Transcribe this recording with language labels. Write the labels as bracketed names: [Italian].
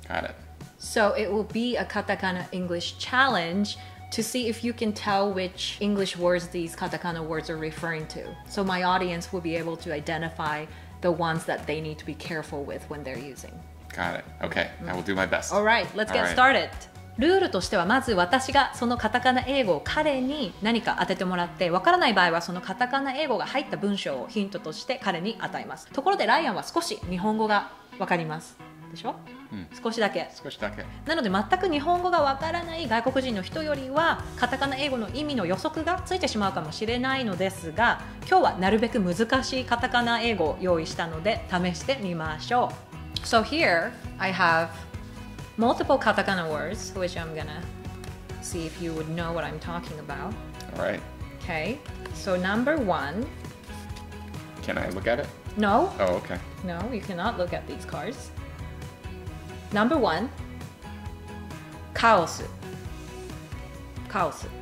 [English] Got it. So it will be a katakana English challenge to see if you can tell which English words these katakana words are referring to. So my audience will be able to identify the ones that they need to be careful with when they're using. Got it. Okay, I will do my best. All right, let's get started. [Japanese] ルールとしては、まず私がそのカタカナ英語を彼に何か当ててもらって、わからない場合はそのカタカナ英語が入った文章をヒントとして彼に与えます。ところでライアンは少し日本語がわかります。でしょ？うん。少しだけ。少しだけ。なので全く日本語がわからない外国人の人よりは、カタカナ英語の意味の予測がついてしまうかもしれないのですが、今日はなるべく難しいカタカナ英語を用意したので試してみましょう。 [English] So here, I have multiple katakana words, which I'm gonna see if you would know what I'm talking about. All right. Okay, so number one. Can I look at it? No. Oh, okay. No, you cannot look at these cards. Number one, kaosu. Kaosu.